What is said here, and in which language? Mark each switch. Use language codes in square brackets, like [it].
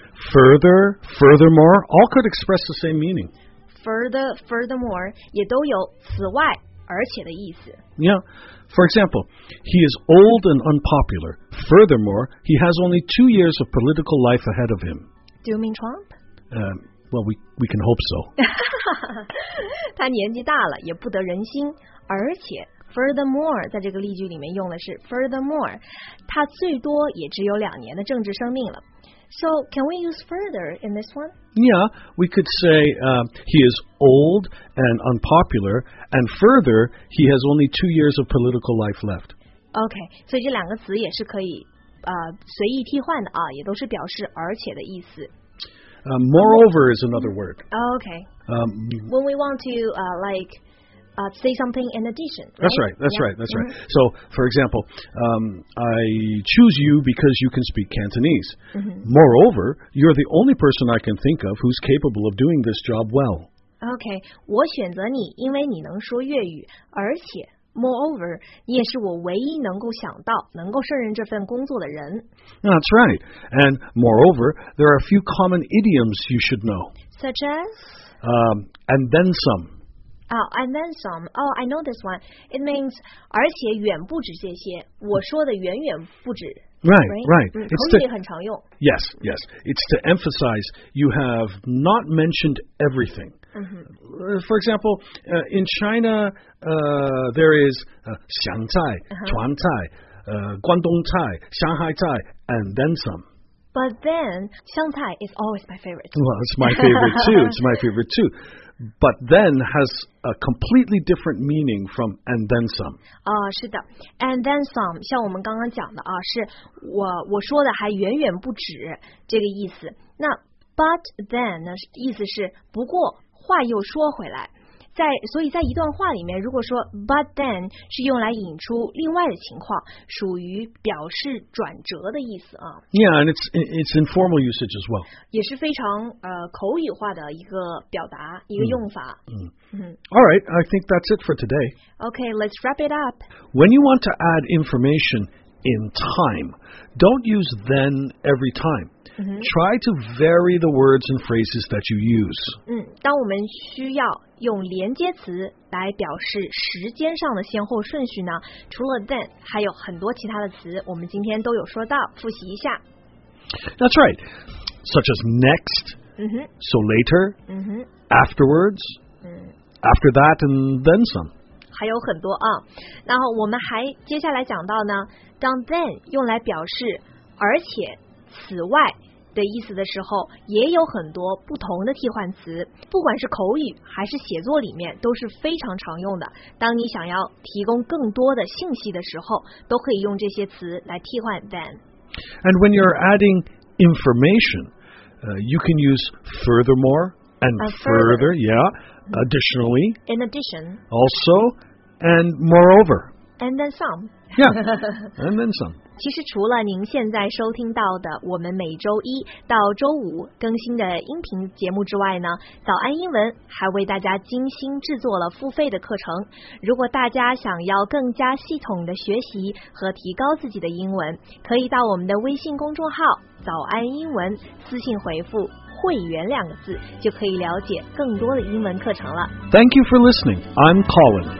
[en] Further, furthermore, all could express the same meaning. Further, furthermore, [zh] 也都有此外而且的意思。 [en] Yeah. For example, he is old and unpopular. Furthermore, he has only 2 years of political life ahead of him. Do you mean Trump? Well, we can hope so. [zh] 他年纪大了，也不得人心。而且 [en] furthermore [zh] 在这个例句里面用的是 furthermore， 他最多也只有两年的政治生命了。 [en] So, can we use further in this one? Yeah, we could say he is old and unpopular, and further, he has only 2 years of political life left. Okay, [zh] 所以这两个词也是可以随意替换的啊，也都是表示而且的意思。 [en] Moreover is another word. Okay. When we want to say something in addition. Right? That's right. That's right. That's right. So, for example, I choose you because you can speak Cantonese. Mm-hmm. Moreover, you're the only person I can think of who's capable of doing this job well. Okay. [zh] 我选择你因为你能说粤语，而且 [en] moreover, [zh] 你也是我唯一能够想到能够胜任这份工作的人。 [en] That's right. And moreover, there are a few common idioms you should know. Such as? And then some. Oh, and then some. Oh, I know this one. It means, [zh] 而且远不止这些。我说的远远不止。 [en] Right, right. It's [zh] 口语里很常用。 [en] Yes, yes. It's to emphasize you have not mentioned everything. Mm-hmm. For example, in China, there is 湘菜、川菜、关东菜、上海菜, and then some. But then, 香菜 is always my favorite. Well, it's my favorite too. It's my favorite too. But then has a completely different meaning from and then some. [zh] 是的。 [en] And then some, [zh] 像我们刚刚讲的啊，是我说的还远远不止这个意思。那 [en] but then [zh] 呢，意思是不过话又说回来。所以在一段话里面，如果说 [en] but then [zh] 是用来引出另外的情况，属于表示转折的意思啊。 [en] Yeah, and it's informal usage as well. [zh] 也是非常口语化的一个表达，一个用法。 [en] All right, I think that's it for today. Okay, let's wrap it up. When you want to add information in time, don't use then every time. Try to vary the words and phrases that you use. [zh] 当我们需要用连接词来表示时间上的先后顺序呢，除了 [en] then, [zh] 还有很多其他的词我们今天都有说到，复习一下。 [en] That's right. Such as next, so later, afterwards, after that, and then some. [zh] 还有很多啊。然后我们还接下来讲到呢，当 then 用来表示而且此外的意思的时候，也有很多不同的替换词，不管是口语还是写作里面都是非常常用的。当你想要提供更多的信息的时候，都可以用这些词来替换 [en] then。 And when you're adding information, you can use furthermore and further, yeah, additionally, in addition, also, and moreover, and then some, yeah, and then some. [zh] 其实除了您现在收听到的我们每周一到周五更新的音频节目之外呢，早安英文还为大家精心制作了付费的课程。如果大家想要更加系统的学习和提高自己的英文，可以到我们的微信公众号早安英文私信回复会员两个字，就可以了解更多的英文课程了。 [en] Thank you for listening. I'm Colin.